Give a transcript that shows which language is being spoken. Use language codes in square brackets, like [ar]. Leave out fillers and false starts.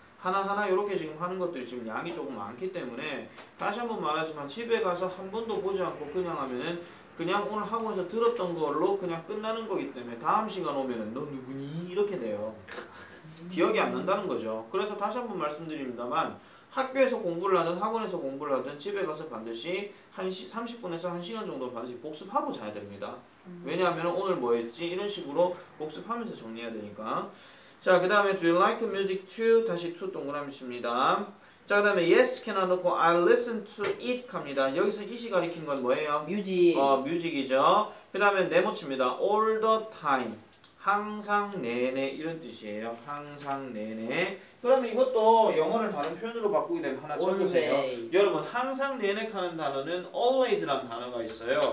[ko] 하나하나 이렇게 지금 하는 것들이 지금 양이 조금 많기 때문에 다시 한번 말하지만 집에 가서 한 번도 보지 않고 그냥 하면은 그냥 오늘 학원에서 들었던 걸로 그냥 끝나는 거기 때문에 다음 시간 오면은 너 누구니? 이렇게 돼요. 기억이 안 난다는 거죠. 그래서 다시 한번 말씀드립니다만 학교에서 공부를 하든 학원에서 공부를 하든 집에 가서 반드시 30분에서 1시간 정도 반드시 복습하고 자야 됩니다. 왜냐하면 오늘 뭐 했지? 이런 식으로 복습하면서 정리해야 되니까. 자, 그 다음에 [en] Do you like the music too? [ko] 다시 to 동그라미입니다. 자, 그 다음에 [en] Yes can I [ko] 놓고 [en] I listen to it [ko] 갑니다. 여기서 it이 가리킨 건 뭐예요? 뮤직. 뮤직이죠. 그 다음에 네모치입니다. [en] All the time. [ko] 항상 내내 이런 뜻이에요. 항상 내내. 그러면 이것도 영어를 다른 표현으로 바꾸게 되면 하나 쳐보세요. 여러분, 항상 내내 하는 단어는 always란 단어가 있어요.